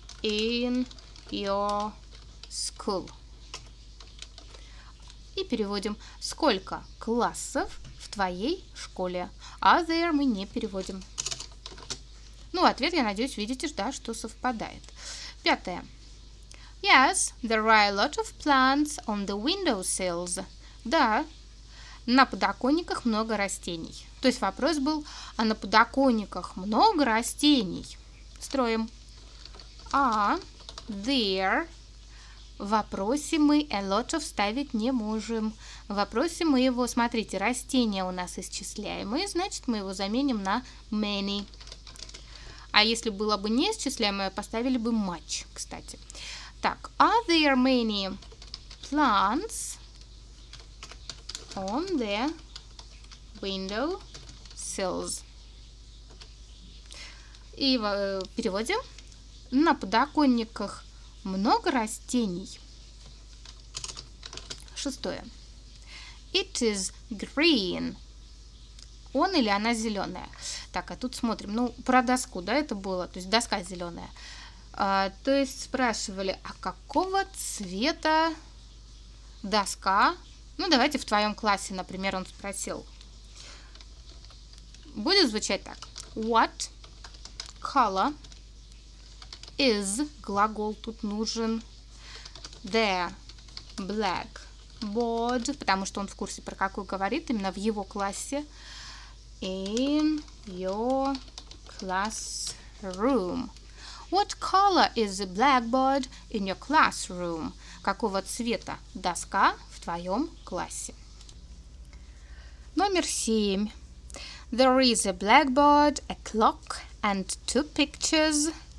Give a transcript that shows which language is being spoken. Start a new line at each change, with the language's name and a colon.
English: In your school.
Russian: И переводим. Сколько классов в твоей школе?
English: Are there
Russian: мы не переводим. Ну, ответ, я надеюсь, видите, да, что совпадает. Пятое.
English: Yes, there are a lot of plants on the windowsills.
Russian: Да, на подоконниках много растений. То есть вопрос был, а на подоконниках много растений? Строим.
English: Are there?
Russian: В вопросе мы
English: a lot of
Russian: ставить не можем. В вопросе мы его, смотрите, растения у нас исчисляемые, значит, мы его заменим на many. А если было бы неисчисляемое, поставили бы much, кстати. Так,
English: are there many plants on the window sills?
Russian: И переводим. На подоконниках много растений. Шестое.
English: It is green.
Russian: Он или она зеленая. Так, а тут смотрим. Ну, про доску, да, это было. То есть доска зеленая. То есть спрашивали, а какого цвета доска? Ну, давайте в твоем классе, например, он спросил. Будет звучать так.
English: What color? Is,
Russian: глагол тут нужен,
English: the blackboard,
Russian: потому что он в курсе, про какую говорит, именно в его классе,
English: in your classroom. What color is the blackboard in your classroom?
Russian: Какого цвета доска в твоем классе? Номер 7.
English: There is a blackboard, a clock and two pictures.